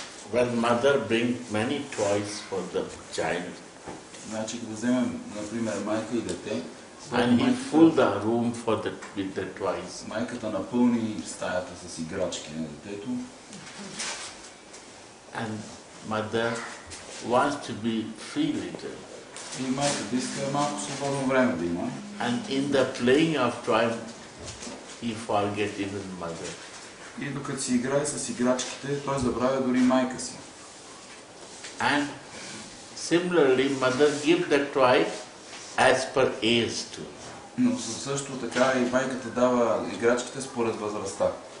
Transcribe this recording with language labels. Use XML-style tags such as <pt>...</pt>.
<en>When mother brings many toys for the child.</en> <bg>Значи, да вземем, например, майка и дете.</bg> <en>And he fill the room for the with the toys.</en> <bg>Майката напълни стаята с играчки на детето.</bg> <en>And mother wants to be free little.</en> <bg>И майка иска малко свободно време да има.</bg> <en>And in the playing of toys, he forget even mother.</en> <bg>И докато си играе с играчките, той забравя дори майка си.</bg> <en>And similarly, mother give the toy as per age too.</en> <bg>Но също така и майката дава играчките според възрастта.</bg>